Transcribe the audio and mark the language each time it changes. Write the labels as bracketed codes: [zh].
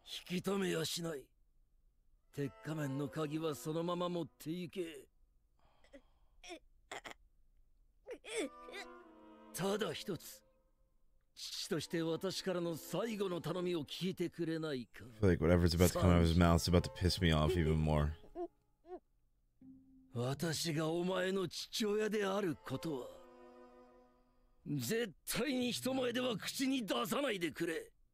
[ja] 引き止めはしない。鉄仮面の鍵はそのまま持っていけ。ただ一つ、父として私からの最後の頼みを聞いてくれないか。 [en] I feel like whatever's about to come out of his mouth is about to piss me off even more. [ja] 私がお前の父親であることは絶対に人前では口に出さないでくれ。